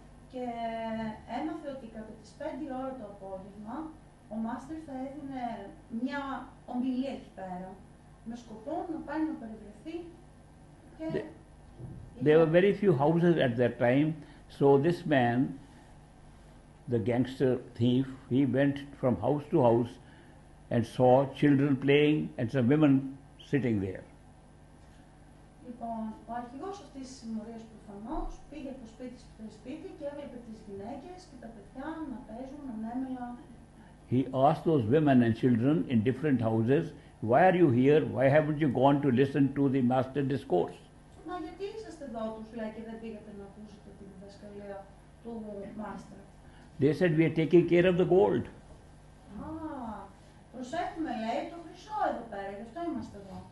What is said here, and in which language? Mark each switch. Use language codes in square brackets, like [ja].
[el] Και έμαθε ότι κατά τις 5 ώρα το απόγευμα ο Μάστερ θα έδινε μια ομιλία εκεί πέρα με σκοπό να πάει να περιγραφεί και [en] There were very few houses at that time, so this man, the gangster thief, he went from house to house and saw children playing and some women sitting there. [el] Λοιπόν, ο αρχηγός αυτής της συμμορίας προφανώς πήγε από σπίτι σε σπίτι και έβλεπε τις γυναίκες και τα παιδιά να παίζουν ανέμελα. [en] He asked those women and children in different houses, why are you here, why haven't you gone to listen to the master discourse? [el] Μα γιατί είσαστε εδώ, τους λέει, και δεν πήγατε να ακούσετε τη διδασκαλία του master. [en] They said, we are taking care of the gold. [el] Α, προσέχουμε, λέει, το χρυσό εδώ πέρα, γι' αυτό είμαστε εδώ.